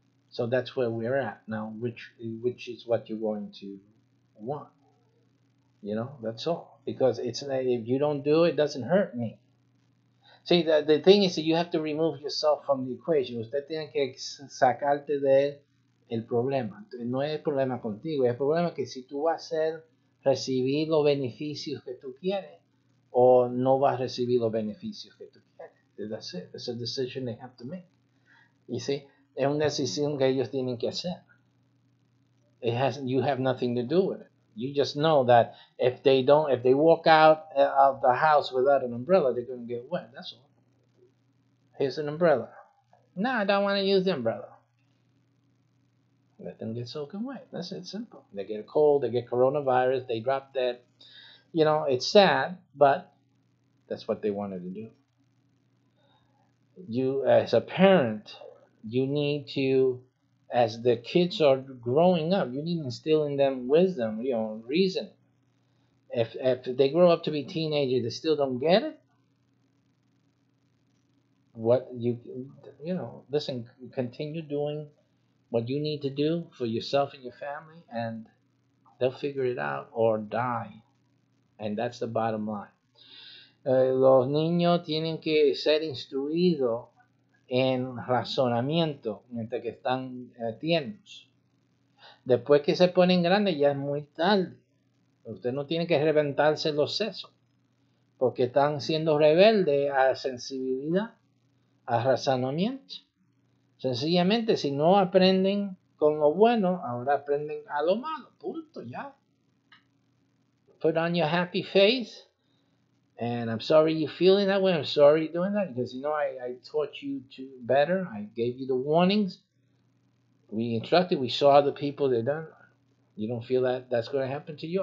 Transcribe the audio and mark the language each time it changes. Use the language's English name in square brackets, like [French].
[English] So that's where we're at now, which is what you're going to want. You know, that's all. Because it's if you don't do it, doesn't hurt me. See, the thing is that you have to remove yourself from the equation. [Spanish] Usted tiene que sacarte de el problema. No es el problema contigo. El problema es que si tú vas a ser recibir los beneficios que tú quieres o no vas a recibir los beneficios que tú quieres. [English] That's it. That's a decision they have to make. You see? [Spanish] Es una decisión que ellos tienen que hacer. [English] It has, you have nothing to do with it. You just know that if they walk out of the house without an umbrella, they're going to get wet. That's all. Here's an umbrella. No, I don't want to use the umbrella. Let them get soaking wet. That's it. Simple. They get a cold. They get coronavirus. They drop dead. You know, it's sad, but that's what they wanted to do. You, as a parent, you need to, as the kids are growing up, you need to instill in them wisdom, you know, reason. If they grow up to be teenagers, they still don't get it. What you know, listen, continue doing what you need to do for yourself and your family, and they'll figure it out or die. And that's the bottom line. [Spanish] Los niños tienen que ser instruidos en razonamiento mientras que están tiernos. Después que se ponen grandes ya es muy tarde. Usted no tiene que reventarse los sesos porque están siendo rebeldes a sensibilidad, a razonamiento. Sencillamente, si no aprenden con lo bueno, ahora aprenden a lo malo. Punto, ya. [English] Put on your happy face. And I'm sorry you're feeling that way. I'm sorry doing that because, you know, I taught you to better. I gave you the warnings. We instructed. We saw the people they've done. You don't feel that that's going to happen to you?